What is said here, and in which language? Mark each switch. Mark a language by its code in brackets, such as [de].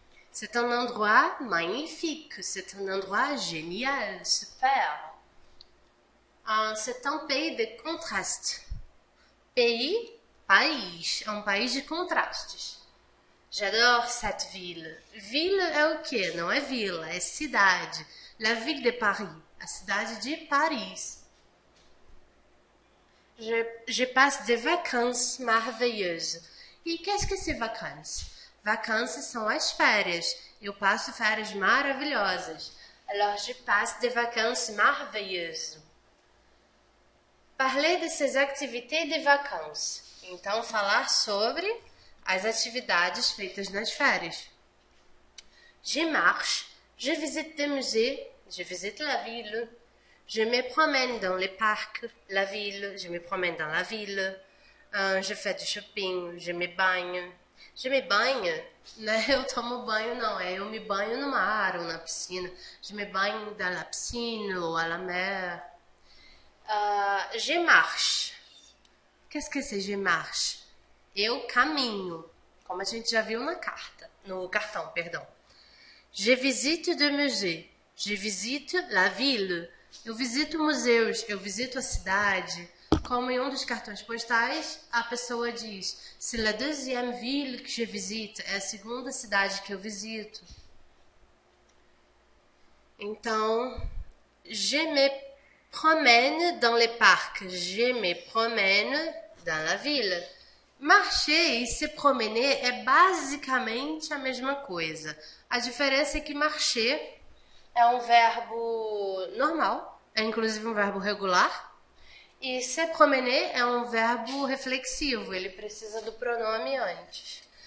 [fr] C'est un endroit magnifique, c'est un endroit génial, super. C'est un pays de contraste. Pays. [pt] País, é um país de contrastes. [fr] J'adore cette ville. [pt] Ville é o quê? Não é vila, é cidade. [fr] La ville de Paris, [pt] a cidade de Paris. [fr] Je passe des vacances merveilleuses. E qu'est-ce que c'est vacances? [pt] Vacances são as férias. Eu passo férias maravilhosas. [fr] Alors, je passe des vacances merveilleuses. Parlez de ces activités de vacances. [pt] Então, falar sobre as atividades feitas nas férias. [fr] Je marche, je visite des musées, je visite la ville. Je me promène dans les parcs, la ville, je me promène dans la ville. Je fais du shopping, je me banho. Je me banho, né? [pt] Eu tomo banho, não, é eu me banho no mar ou na piscina. [fr] Je me banho dans la piscine ou à la mer. Je marche. Qu'est-ce que c'est je marche? [pt] Eu caminho, como a gente já viu na carta, no cartão, perdão. [fr] Je visite des musées, je visite la ville. [pt] Eu visito museus, eu visito a cidade. Como em um dos cartões postais, a pessoa diz: [fr] C'est la deuxième ville que je visite, [pt] é a segunda cidade que eu visito. [fr] Então, je me promène dans les parcs, je me promène. [pt] Da vila. Marcher e se promener é basicamente a mesma coisa. A diferença é que marcher é um verbo normal, é inclusive um verbo regular, e se promener é um verbo reflexivo, ele precisa do pronome antes.